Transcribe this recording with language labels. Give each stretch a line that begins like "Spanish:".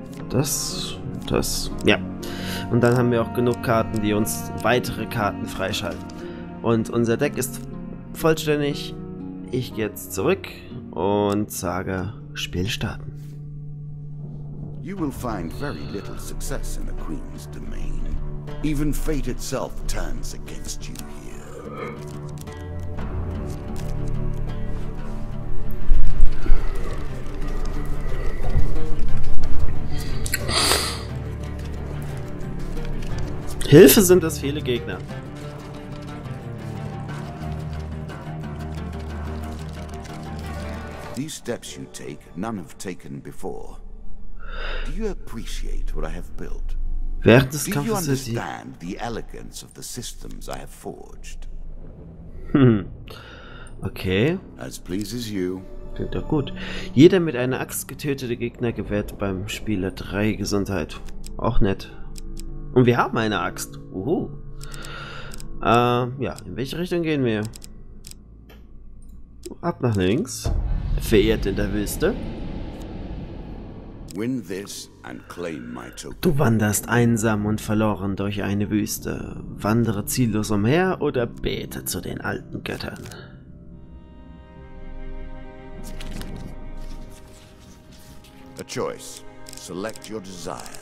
German: Das, ja. Und dann haben wir auch genug Karten, die uns weitere Karten freischalten. Und unser Deck ist vollständig. Ich gehe jetzt zurück und sage, Spiel starten.
English: You will find very little success in the Queen's domain. Even fate itself turns against you here.
German: Hilfe, sind das viele Gegner.
English: These steps you take, none have taken before. Do you appreciate what I have built?
German: Während des Kampfes ist die...
English: Do you understand the elegance of the systems I have forged?
German: Okay.
English: As pleases you.
German: Klingt doch gut. Jeder mit einer Axt getötete Gegner gewährt beim Spieler 3 Gesundheit. Auch nett. Und wir haben eine Axt. Uhu. Ja, in welche Richtung gehen wir? Ab nach links. Verehrt in der Wüste.
English: Win this and claim my token.
German: Du wanderst einsam und verloren durch eine Wüste. Wandere ziellos umher oder bete zu den alten Göttern.
English: A choice. Select your desire.